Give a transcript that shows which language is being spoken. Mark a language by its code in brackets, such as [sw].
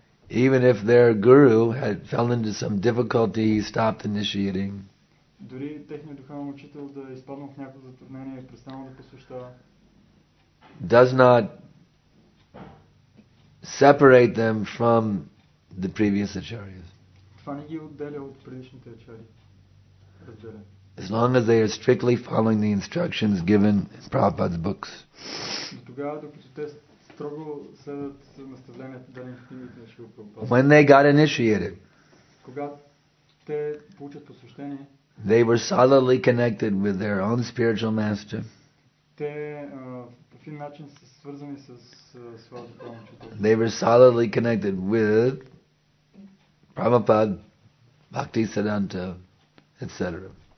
[en] Even if their guru had fell into some difficulty, he stopped initiating. [bg] Дори техният духовен учител да изпадна в някакво затруднение и престанал да посвещава. [en] Does not separate them from the previous acharyas. [bg] Това не ги отделя от предишните ачари. [en] As long as they are strictly following the instructions given in Prabhupada's books. [bg] До тогава, докато те строго следват наставленията, дадени в книгите на Шрила Прабхупада. [en] When they got initiated. [bg] Когато те получат посвещение. [en] They were solidly connected with their own spiritual master. They were solidly connected with Prabhupada, Bhakti Siddhanta, etc.